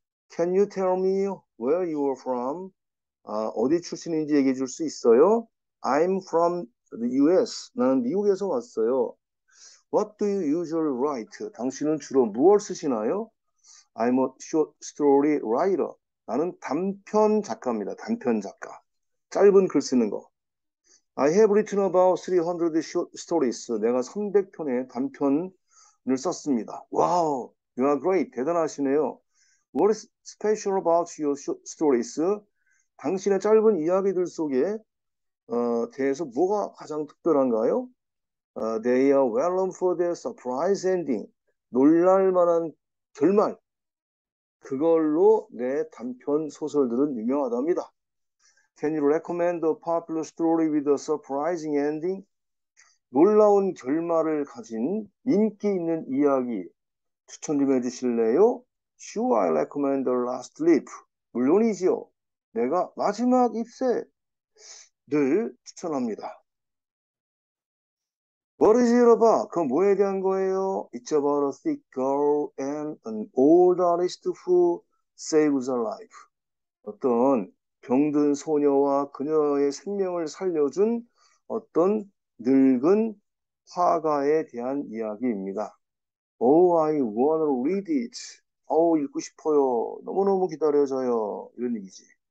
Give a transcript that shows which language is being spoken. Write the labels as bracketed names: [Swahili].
[English] Can you tell me where you are from? [Korean] 어디 출신인지 얘기해 줄수 있어요? [English] I'm from the US. [Korean] 나는 미국에서 왔어요. [English] What do you usually write? [Korean] 당신은 주로 무엇을 쓰시나요? [English] I'm a short story writer. [Korean] 나는 단편 작가입니다. 단편 작가. 짧은 글 쓰는 거. [English] I have written about 300 short stories. [Korean] 내가 300편의 단편을 썼습니다. [English] Wow, you are great. [Korean] 대단하시네요. [English] What is special about your short stories? [Korean] 당신의 짧은 이야기들 속에 대해서 뭐가 가장 특별한가요? [English] They are well known for their surprise ending. [Korean] 놀랄 만한 결말. 그걸로 내 단편 소설들은 유명하답니다. [English] Can you recommend a popular story with a surprising ending? [Korean] 놀라운 결말을 가진 인기 있는 이야기 추천 좀 해주실래요? [English] Sure, I recommend the last leap. [Korean] 물론이지요. 내가 마지막 입새를 추천합니다. [English] What is it about? [Korean] 그건 뭐에 대한 거예요? [English] It's about a thick girl and an old artist who saves her life. [Korean] 어떤 병든 소녀와 그녀의 생명을 살려준 어떤 늙은 화가에 대한 이야기입니다. [English] Oh, I wanna read it. [Korean] 어우, 읽고 싶어요. 너무너무 기다려져요. 이런 얘기지.